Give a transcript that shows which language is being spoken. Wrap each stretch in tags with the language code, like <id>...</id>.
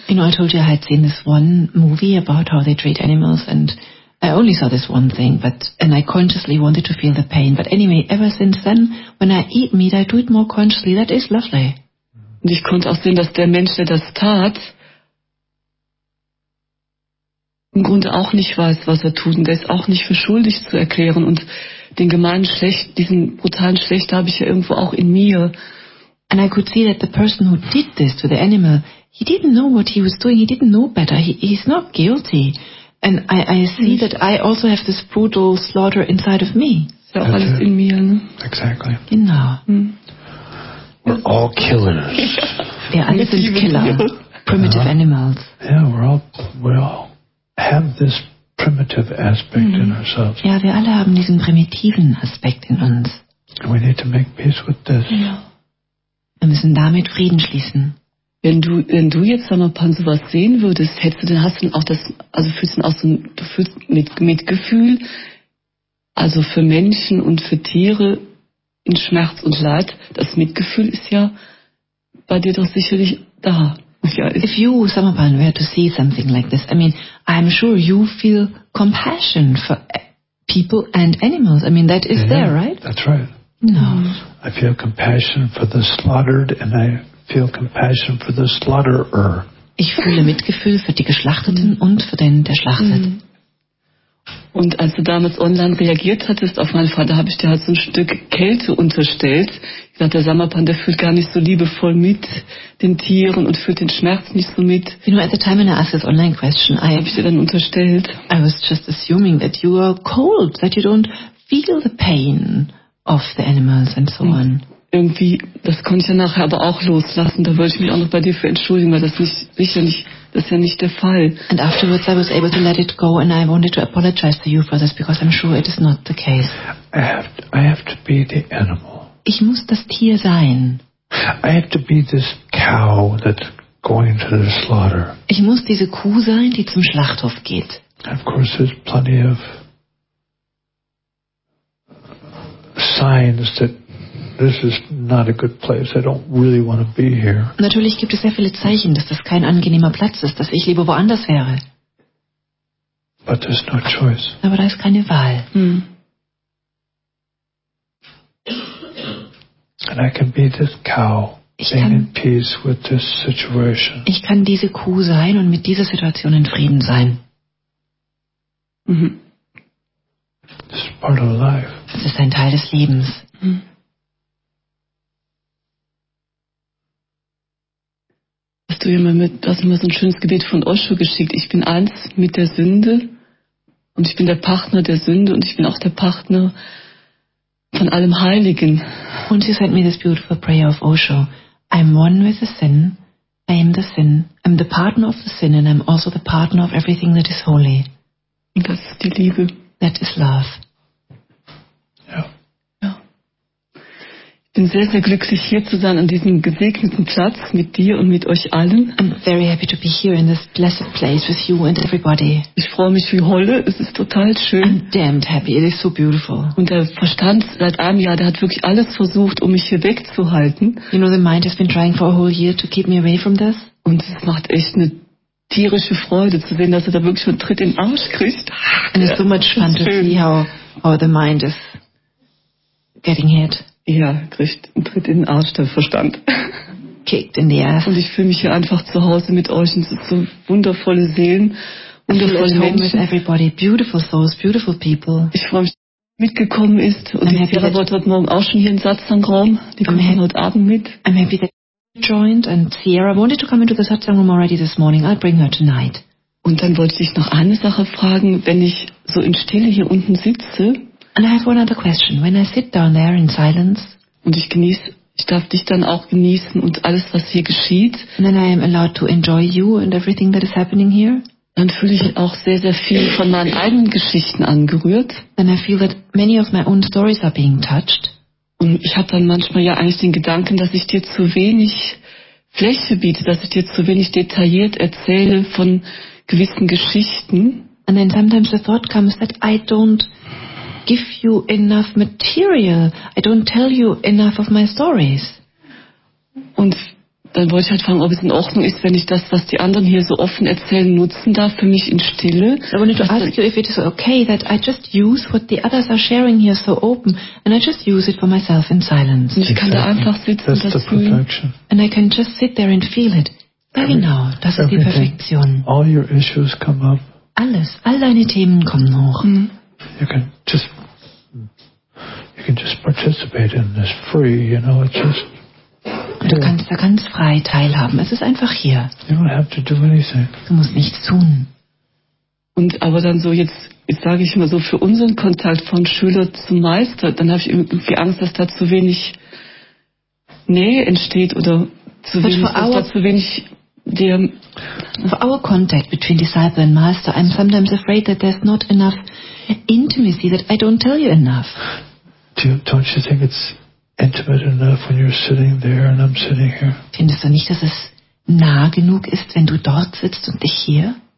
<en>You know, I told you I had seen this one movie about how they treat animals, and I only saw this one thing, and I consciously wanted to feel the pain. But anyway, ever since then, when I eat meat, I do it more consciously. That is lovely.</en> <de>Und ich konnte auch sehen, dass der Mensch, der das tat, im Grunde auch nicht weiß, was er tut. Und der ist auch nicht für schuldig zu erklären. Und den gemeinen Schlecht, diesen brutalen Schlecht, habe ich ja irgendwo auch in mir.</de> <en>And I could see that the person who did this to the animal, he didn't know what he was doing. He didn't know better. He's not guilty. And I see that I also have this brutal slaughter inside of me.</en> <de>So alles in mir.</de> <en>Exactly.</en> <de>Genau.</de> <en>We're all killers.</en> <de>Wir alle sind Killer.</de> <en>Primitive animals. Yeah, we all have this primitive aspect in ourselves.</en> <de>Ja, wir alle haben diesen primitiven Aspekt in uns.</de> <en>We need to make peace with this.</en> <de>Wir müssen damit Frieden schließen. Wenn du jetzt, sag mal, Pan, sowas sehen würdest, fühlst du mit Mitgefühl, also für Menschen und für Tiere in Schmerz und Leid, das Mitgefühl ist ja bei dir doch sicherlich da. Ja,</de> <en>if you,</en> <de>sag mal,</de> <en>Pan, were to see something like this, I mean, I'm sure you feel compassion for people and animals. I mean, that is there, right? That's right. No. I feel compassion for the slaughtered and I feel compassion for the slaughterer.</en> <de>Ich fühle Mitgefühl für die Geschlachteten und für den, der schlachtet. Und als du damals online reagiert hattest auf meinen Vater, habe ich dir halt so ein Stück Kälte unterstellt. Ich dachte, der Samapan, der fühlt gar nicht so liebevoll mit den Tieren und fühlt den Schmerz nicht so mit.</de> <en>You know, at the time when I asked this online question,</en> <de>habe ich dir dann unterstellt.</de> <en>I was just assuming that you are cold, that you don't feel the pain of the animals and so on.</en> <de>Irgendwie, das konnte ich ja nachher aber auch loslassen. Da würde ich mich auch noch bei dir für entschuldigen, weil das ist ja nicht der Fall.</de> <en>And afterwards I was able to let it go and I wanted to apologize to you for this because I'm sure it is not the case. I have to be the animal.</en> <de>Ich muss das Tier sein.</de> <en>I have to be this cow that's going to the slaughter.</en> <de>Ich muss diese Kuh sein, die zum Schlachthof geht.</de> <en>Of course there's plenty of signs that this is not a good place. I don't really want to be here.</en> <de>Natürlich gibt es sehr viele Zeichen, dass das kein angenehmer Platz ist, dass ich lieber woanders wäre.</de> <en>But there's no choice.</en> <de>Aber da ist keine Wahl.</de> <en>And I can be this cow, being in peace with this situation.</en> <de>Ich kann diese Kuh sein und mit dieser Situation in Frieden sein.</de> <en>This is part of life.</en> <de>Das ist ein Teil des Lebens. Hast du mir so ein schönes Gebet von Osho geschickt? Ich bin eins mit der Sünde und ich bin der Partner der Sünde und ich bin auch der Partner von allem Heiligen. Und sie</de> <en>sent</en> <de>mir</de> <en>this beautiful prayer of Osho. I'm one with the sin. I am the sin. I'm the partner of the sin and I'm also the partner of everything that is holy.</en> <de>Und das ist die Liebe.</de> <en>That is love.</en> <de>Ja. Ja. Ich bin sehr, sehr glücklich, hier zu sein, an diesem gesegneten Platz, mit dir und mit euch allen.</de> <en>I'm very happy to be here in this blessed place with you and everybody.</en> <de>Ich freue mich wie Holle, es ist total schön.</de> <en>I'm damned happy, it is so beautiful.</en> <de>Und der Verstand seit einem Jahr, der hat wirklich alles versucht, um mich hier wegzuhalten.</de> <en>You know, the mind has been trying for a whole year to keep me away from this.</en> <de>Und es macht echt eine tierische Freude zu sehen, dass er da wirklich einen Tritt in den Arsch kriegt.</de> <en>And it's so much fun to see how the mind is getting hit.</en> <de>Ja, kriegt einen Tritt in den Arsch, der Verstand.</de> <en>Kicked in the ass.</en> <de>Und ich fühle mich hier einfach zu Hause mit euch und es sind so wundervolle Seelen, wundervolle Menschen.</de> <en>With everybody. Beautiful souls, beautiful people.</en> <de>Ich freue mich, dass er mitgekommen ist und</de> <en>I'm</en> <de>die Vera wollte heute Morgen auch schon hier in Satsang-Raum. Die kommt heute Abend mit.</de> <en>I'm happy that you joined and Sierra wanted to come into the Satsang-Raum already this morning. I'll bring her tonight.</en> <de>Und dann wollte ich noch eine Sache fragen, wenn ich so in Stille hier unten sitze.</de> <en>And I have one other question. When I sit down there in silence,</en> <de>und ich darf dich dann auch genießen und alles, was hier geschieht,</de> <en>and then I am allowed to enjoy you and everything that is happening here,</en> <de>dann fühle ich auch sehr, sehr viel von meinen eigenen Geschichten angerührt.</de> <en>Then I feel that many of my own stories are being touched.</en> <de>Und ich habe dann manchmal ja eigentlich den Gedanken, dass ich dir zu wenig Fläche biete, dass ich dir zu wenig detailliert erzähle von gewissen Geschichten.</de> <en>And then sometimes the thought comes that I don't give you enough material. I don't tell you enough of my stories.</en> <de>Und dann wollte ich halt fragen, ob es in Ordnung ist, wenn ich das, was die anderen hier so offen erzählen, nutzen darf für mich in Stille.</de> <en>So I wanted to ask you if it is okay that I just use what the others are sharing here so open and I just use it for myself in silence.</en> <de>Und ich kann da einfach sitzen und das fühlen.</de> <en>And I can just sit there and feel it. Very now,</en> <de>das ist die Perfektion.</de> <en>All your issues come up.</en> <de>Alles, all deine Themen kommen hoch. Mm.</de> <en>You can just participate in this free, you know, it's just here.</en> <de>Du kannst da ganz frei teilhaben. Es ist einfach hier.</de> <en>You don't have to do anything.</en> <de>Du musst nichts tun. Und aber dann so jetzt sage ich mal so für unseren Kontakt von Schüler zum Meister, dann habe ich irgendwie Angst, dass da zu wenig Nähe entsteht oder zu wenig,</de> <en>For our contact between disciple and master, I'm sometimes afraid that there's not enough intimacy, that I don't tell you enough. Don't you think it's intimate enough when you're sitting there and I'm sitting here?</en> <de>Findest du nicht, dass es nah genug ist, wenn du dort sitzt und ich hier?</de>